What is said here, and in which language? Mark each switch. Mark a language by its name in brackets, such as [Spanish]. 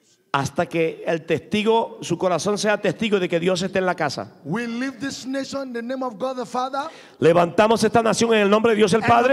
[Spanish] Hasta que el testigo, su corazón sea testigo de que Dios esté en la casa. [English] We leave this nation in the name of God the Father. [Spanish] Levantamos esta nación en el nombre de Dios el Padre.